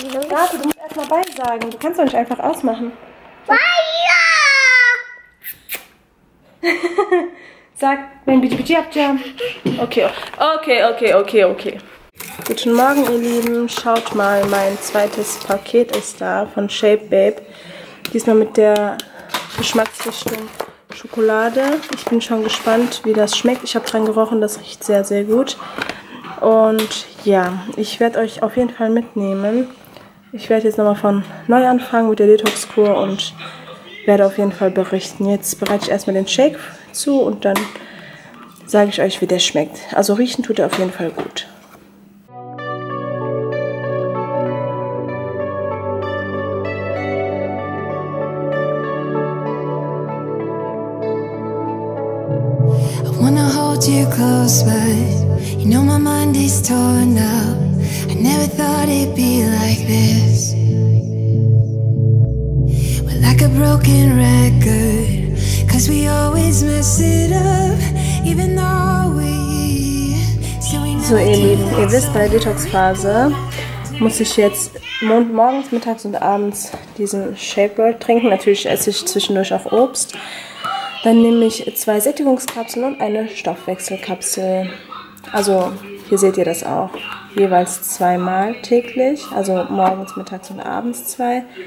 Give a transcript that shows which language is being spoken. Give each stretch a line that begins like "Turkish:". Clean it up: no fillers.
German: Warte, du musst erstmal bye sagen. Du kannst doch nicht einfach ausmachen.
English: Bye!
German: Sag, wenn bitte bitte abjam. Okay, okay, okay, okay, okay. Guten Morgen, ihr Lieben. Schaut mal, mein zweites Paket ist da von Shape Babe. Diesmal mit der Geschmacksrichtung Schokolade. Ich bin schon gespannt, wie das schmeckt. Ich habe dran gerochen, das riecht sehr, sehr gut. Und ja, ich werde euch auf jeden Fall mitnehmen. Ich werde jetzt nochmal von neu anfangen mit der Detox-Kur und werde auf jeden Fall berichten. Jetzt bereite ich erstmal den Shake zu und dann sage ich euch, wie der schmeckt. Also riechen tut er auf jeden Fall gut.
English: You close, but you know my mind is torn up. I never thought it'd be like this. We're like a broken record, 'cause we always mess it up, even though we.
German: So ihr Lieben, ihr wisst, bei Detox-Phase muss ich jetzt morgens, mittags und abends diesen Shake World trinken. Natürlich esse ich zwischendurch auch Obst. Dann nehme ich 2 Sättigungskapseln und 1 Stoffwechselkapsel. Also hier seht ihr das auch. Jeweils 2-mal täglich, also morgens, mittags und abends 2.